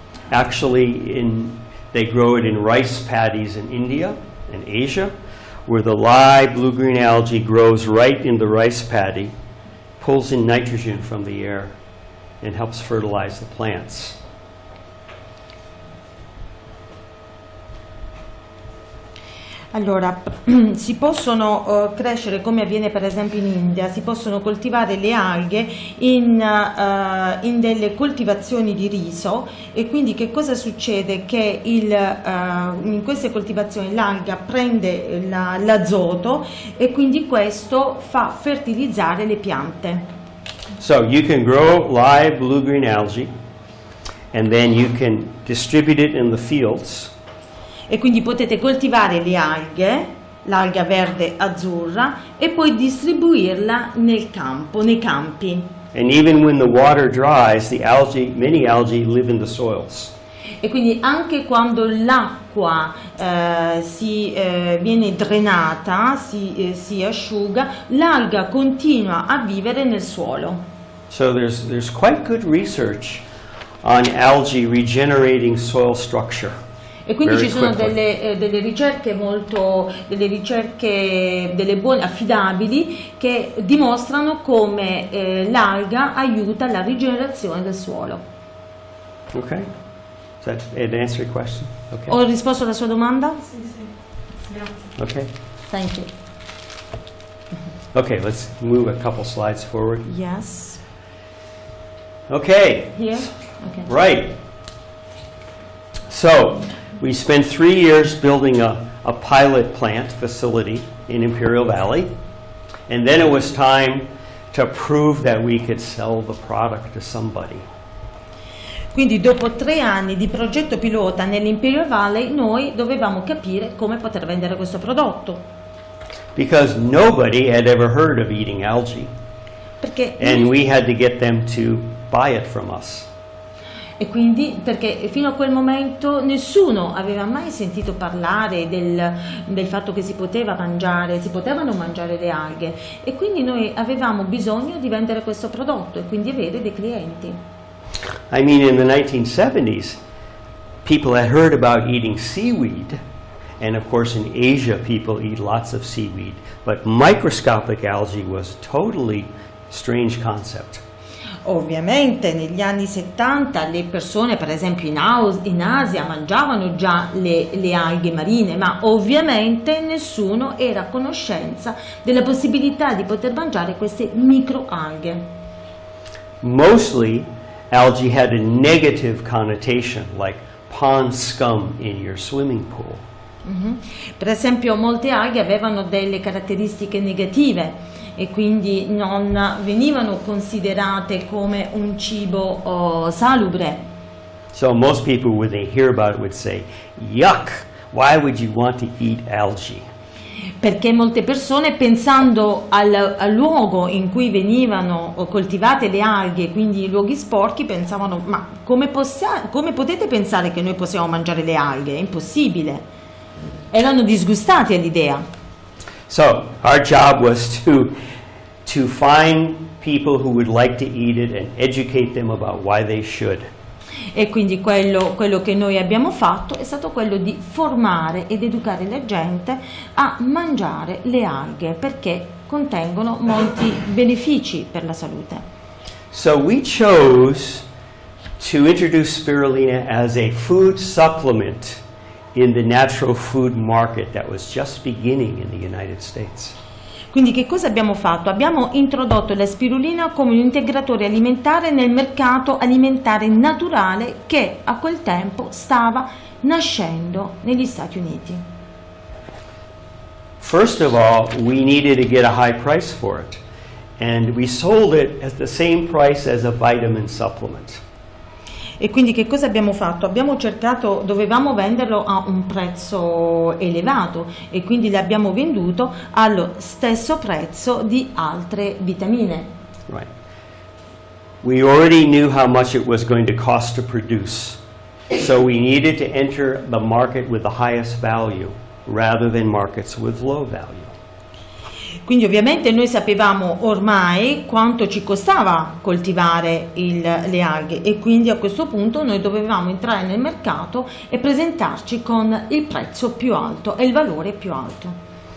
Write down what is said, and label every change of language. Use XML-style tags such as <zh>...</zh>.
<en>Actually, they grow it in rice paddies in India and Asia, where the live blue-green algae grows right in the rice paddy, pulls in nitrogen from the air, and helps fertilize the plants.</en> <it>Allora, si possono crescere, come avviene per esempio in India, si possono coltivare le alghe in delle coltivazioni di riso e quindi che cosa succede? Che in queste coltivazioni l'alga prende l'azoto e quindi questo fa fertilizzare le piante.</it> <en>So you can grow live blue-green algae and then you can distribute it in the fields.</en> <it>E quindi potete coltivare le alghe, l'alga verde azzurra, e poi distribuirla nel campo, nei campi.</it> <en>And even when the water dries, the algae, many algae live in the soils.</en> <it>E quindi anche quando l'acqua viene drenata, si asciuga, l'alga continua a vivere nel suolo.</it> <en>So there's quite good research on algae regenerating soil structure.</en> <it>E quindi ci sono delle ricerche molto, delle ricerche, delle buone, affidabili, che dimostrano come l'alga aiuta la rigenerazione del suolo.</it> <en>Ok. Is that an answer your question? Okay.</en> <it>Ho risposto alla sua domanda? Sì, sì. Grazie. Ok.</it> <en>Thank you. Okay, let's move a couple slides forward. Yes. Okay. Here? Okay. Right. So, we spent 3 years building a pilot plant facility in Imperial Valley, and then it was time to prove that we could sell the product to somebody.</en> <it>Quindi dopo 3 anni di progetto pilota nell'Imperial Valley, noi dovevamo capire come poter vendere questo prodotto.</it> <en>Because nobody had ever heard of eating algae.</en> <it>Perché</it> <en>and we had to get them to buy it from us.</en> <it>E quindi perché fino a quel momento nessuno aveva mai sentito parlare del fatto che si potevano mangiare le alghe, e quindi noi avevamo bisogno di vendere questo prodotto e quindi avere dei clienti.</it> <en>I mean, in the 1970s people had heard about eating seaweed, and of course in Asia people eat lots of seaweed, but microscopic algae was a totally strange concept.</en> <it>Ovviamente negli anni 70 le persone, per esempio in Asia, mangiavano già le alghe marine, ma ovviamente nessuno era a conoscenza della possibilità di poter mangiare queste microalghe.</it> <en>Mostly algae had a negative connotation, like pond scum in your swimming pool. Mm-hmm.</en> <it>Per esempio molte alghe avevano delle caratteristiche negative, e quindi non venivano considerate come un cibo salubre.</it> <en>So most people, when they hear about it, would say, yuck, why would you want to eat algae?</en> <it>Perché molte persone, pensando al luogo in cui venivano coltivate le alghe, quindi i luoghi sporchi, pensavano, ma come potete pensare che noi possiamo mangiare le alghe? È impossibile. Erano disgustati all'idea.</it> <en>So, our job was to find people who would like to eat it and educate them about why they should.</en> <it>E quindi quello che noi abbiamo fatto è stato quello di formare ed educare la gente a mangiare le alghe, perché contengono molti benefici per la salute.</it> <en>So we chose to introduce spirulina as a food supplement in the natural food market that was just beginning in the United States.</en> <it>Quindi che cosa abbiamo fatto? Abbiamo introdotto la spirulina come un integratore alimentare nel mercato alimentare naturale che a quel tempo stava nascendo negli Stati Uniti.</it> <en>First of all, we needed to get a high price for it, and we sold it at the same price as a vitamin supplement.</en> <it>E quindi che cosa abbiamo fatto? Abbiamo cercato, dovevamo venderlo a un prezzo elevato, e quindi l'abbiamo venduto allo stesso prezzo di altre vitamine.</it> <en>Right. We already knew how much it was going to cost to produce, so we needed to enter the market with the highest value rather than markets with low value.</en> <it>Quindi ovviamente noi sapevamo ormai quanto ci costava coltivare le alghe, e quindi a questo punto noi dovevamo entrare nel mercato e presentarci con il prezzo più alto e il valore più alto.</it>